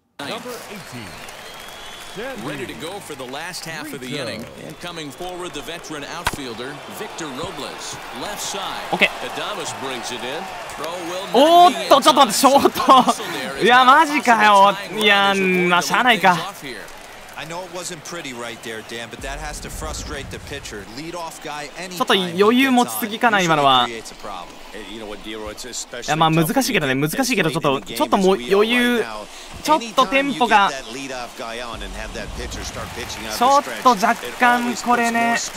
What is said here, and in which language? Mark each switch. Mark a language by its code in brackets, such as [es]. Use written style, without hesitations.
[ja] オッケー。おーっと、ちょっと待って、ショート。いや、マジかよ。いや、まあ、しゃあないか。 [en] I know it wasn't pretty right there, Dan, but that has to frustrate the pitcher. Lead off guy anytime. [ja] ちょっと余裕持ちすぎかな今のは。いやまあ難しいけどね、難しいけどちょっともう余裕、ちょっとテンポが、ちょっと若干これね。